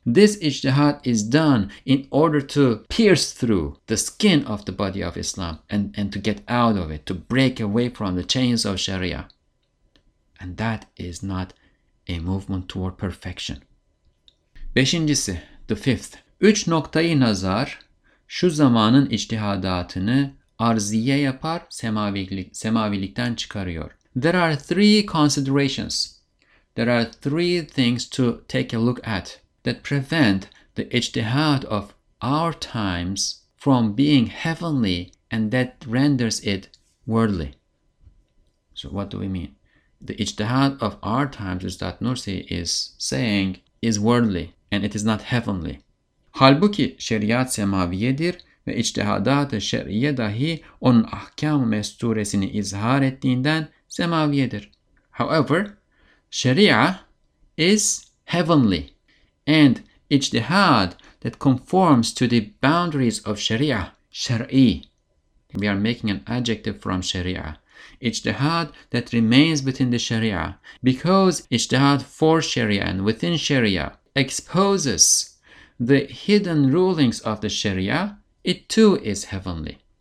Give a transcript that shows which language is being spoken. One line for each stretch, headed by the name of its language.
English: This ijtihad is done in order to pierce through the skin of the body of Islam and to get out of it, to break away from the chains of Sharia. And that is not a movement toward perfection.
Turkish: Beşincisi,
English: the fifth.
Turkish: Üç noktayı nazar, şu zamanın ijtihadatını arziye yapar, semavilikten çıkarıyor.
English: There are three considerations. There are three things to take a look at that prevent the ijtihad of our times from being heavenly and that renders it worldly. So what do we mean? The ijtihad of our times, Üstad Nursi is saying, is worldly and it is not heavenly.
Turkish: Halbuki şeriat semaviyedir. Ve içtihadat-ı şer'iye dahi onun ahkam-ı mesturesini izhar ettiğinden semaviyedir.
English: However, şeria is heavenly. And içtihad that conforms to the boundaries of şeria, şer'i. We are making an adjective from şeria. Içtihad that remains within the şeria. Because içtihad for şeria and within şeria exposes the hidden rulings of the şeria, it too is heavenly.